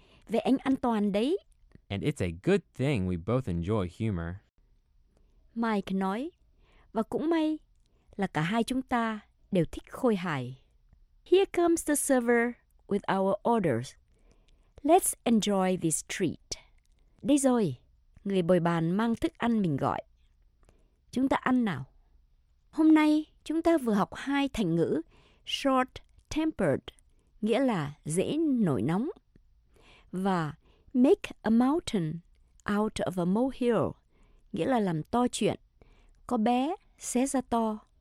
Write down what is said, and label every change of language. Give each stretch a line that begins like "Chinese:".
Vietnamese: Vậy anh an toàn đấy.
English: And it's a good thing we both enjoy humor.
Vietnamese: Mike nói, và cũng may là cả hai chúng ta đều thích khôi hài.
English: Here comes the server with our orders. Let's enjoy this treat.
Vietnamese: Đây rồi, người bồi bàn mang thức ăn mình gọi. Chúng ta ăn nào. Hôm nay, chúng ta vừa học hai thành ngữ short-tempered, nghĩa là dễ nổi nóng, và
English: make a mountain out of a molehill,
Vietnamese: nghĩa là làm to chuyện, có bé xé ra to.